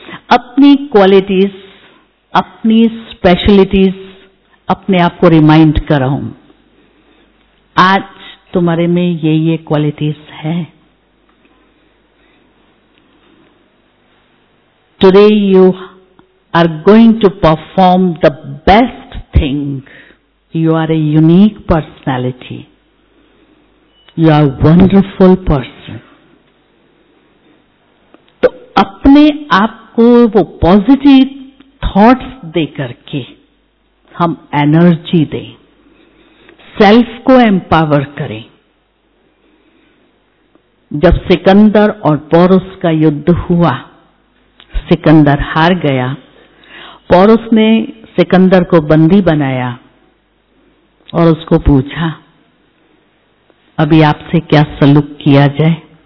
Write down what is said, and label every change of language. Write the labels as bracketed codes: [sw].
[hi] अपनी क्वालिटीज, अपनी स्पेशलिटीज अपने आप को रिमाइंड कराऊं, आज तुम्हारे में ये क्वालिटीज हैं। [en] Today you are going to perform the best thing. You are a unique personality. You are a wonderful person. [hi] तो अपने आप को वो पॉजिटिव थॉट्स दे करके हम एनर्जी दें, सेल्फ को एम्पावर करें। जब सिकंदर और पौरुष का युद्ध हुआ, सिकंदर हार गया, पौरुष ने सिकंदर को बंदी बनाया और उसको पूछा अभी आपसे क्या सलूक किया जाए।